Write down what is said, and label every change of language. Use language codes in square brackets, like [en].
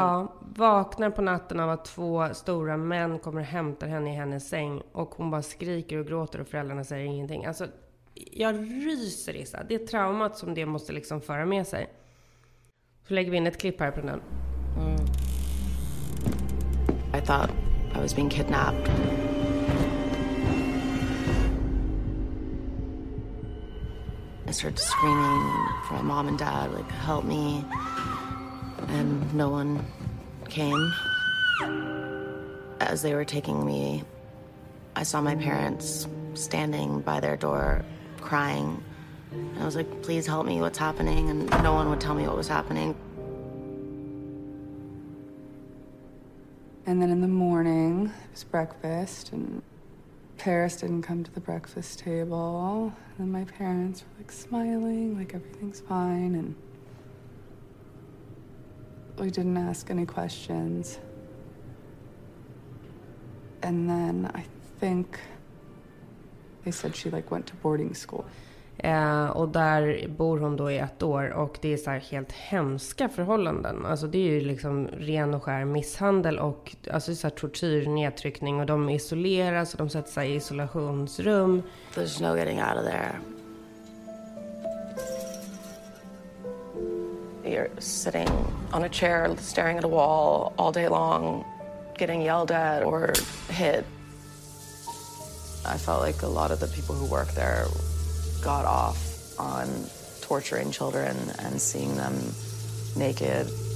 [sv] Ja, vaknar på natten av att två stora män kommer och hämtar henne i hennes säng. Och hon bara skriker och gråter och föräldrarna säger ingenting. Alltså, jag ryser, Isa. Det är traumat som det måste liksom föra med sig. Så lägger vi in ett klipp här på den. [en] I thought I was being kidnapped. I started screaming for my mom and dad, like, help me. And no one came. As they were taking me, I saw my parents standing by their door, crying. And I was like, please help me, what's happening? And no one would tell me what was happening. And then in the morning, it was breakfast, and Paris didn't come to the breakfast table. And then my parents were like smiling, like everything's fine, and we didn't ask any questions. And then I think they said she like went to boarding school. [sv] Och där bor hon då i ett år. Och det är så här helt hemska förhållanden. Alltså det är ju liksom ren och skär misshandel. Och alltså så här tortyr, nedtryckning. Och de isoleras och de sätter sig i isolationsrum. [en] There's no getting out of there. You're sitting on a chair staring at a wall all day long. Getting yelled at or hit. I felt like a lot of the people who work there got off on torturing children and seeing them naked.